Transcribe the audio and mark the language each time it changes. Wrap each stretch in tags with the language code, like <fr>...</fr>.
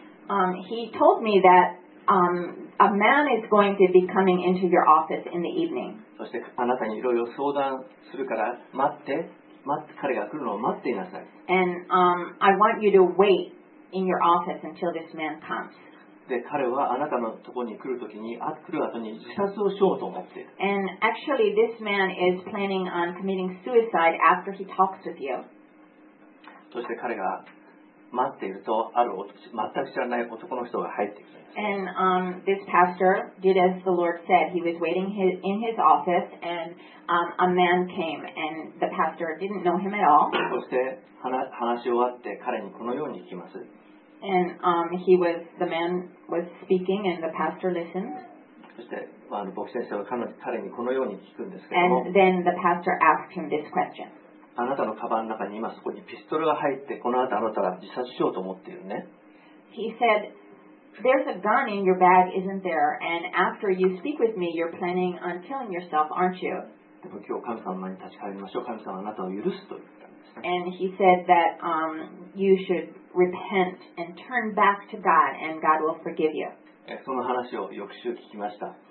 <en>He told me that a man is going to be coming into your office in the evening.</en> <ja>そしてあなたにいろいろ相談するから待って彼が来るのを待っていなさい。</ja> <en>And I want you to wait in your office until this man comes.</en> <ja>で彼はあなたのところに来るときに来る後に自殺をしようと思って。</ja> <en>And actually, this man is planning on committing suicide after he talks with you.</en> <ja>そして彼が待っているとある全く知らない男の人が入ってきます。</ja> <en>And this pastor did as the Lord said. He was waiting in his office, and a man came, and the pastor didn't know him at all.</en> <ja>そして話し終わって彼にこのように聞きます。</ja> <en>And the man was speaking, and the pastor listened.</en> <ja>そして牧師先生は彼にこのように聞くんですけども。</ja> <en>And then the pastor asked him this question.</en> <ja>あなたのカバンの中に今そこにピストルが入ってこの後あなたは自殺しようと思っているね。</ja> <en>He said, "There's a gun in your bag, isn't there? And after you speak with me, you're planning on killing yourself, aren't you?"</en> <ja>でも今日神様の前に立ち返りましょう。神様はあなたを許すと言ったんです。</ja> <en>And he said that you should repent and turn back to God, and God will forgive you.</en> <ja>その話を翌週聞きました。</ja>